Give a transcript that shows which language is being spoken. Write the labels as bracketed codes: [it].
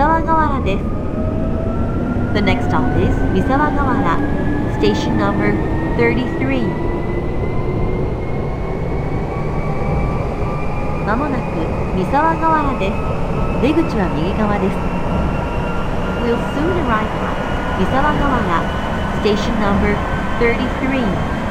[en] The next stop is Misawagawara, station number 33. [ja] まもなく Misawagawara です。出口は右側です。 [en] We'll soon arrive at Misawagawara, station number 33.